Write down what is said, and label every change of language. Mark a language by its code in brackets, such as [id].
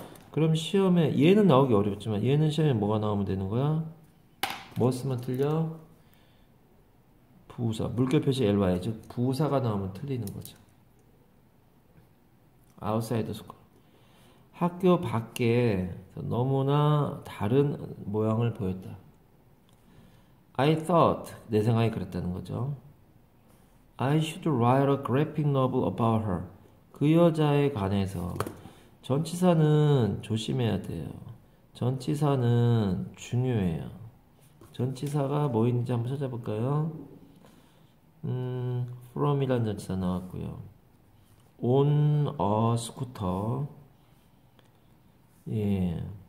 [ko] 그럼 시험에 얘는 나오기 어렵지만 얘는 시험에 뭐가 나오면 되는 거야? 뭐 쓰면 틀려? 부사. 물결 표시 ly죠. 부사가 나오면 틀리는 거죠. 아웃사이드 스쿨. 학교 밖에 너무나 다른 모양을 보였다. I thought, 내 생각이 그랬다는 거죠. [en] I should write a graphic novel about her. [ko] 그 여자에 관해서. 전치사는 조심해야 돼요. 전치사는 중요해요. 전치사가 뭐 있는지 한번 찾아볼까요? from이라는 전치사 나왔고요. [en] On a scooter. 예.